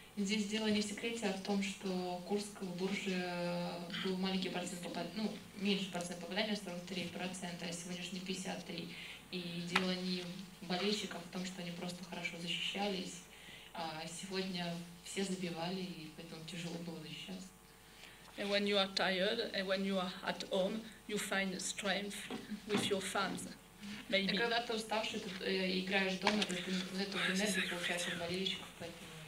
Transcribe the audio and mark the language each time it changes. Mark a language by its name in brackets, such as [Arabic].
[Russian] Здесь дело не в секрете, а в том, что Курск в Бурже был маленький процент попадания, ну, меньше процент попадания, 43%, а сегодняшний 53%. И дело не в болельщиках, а в том, что они просто хорошо защищались, а сегодня все забивали, и поэтому тяжело было защищаться. [English] And when you are tired, and when you are at home, you find strength with your fans. Maybe. [Russian] И когда ты уставший, ты играешь дома, то ты в эту энергию получаешь от болельщиков, поэтому...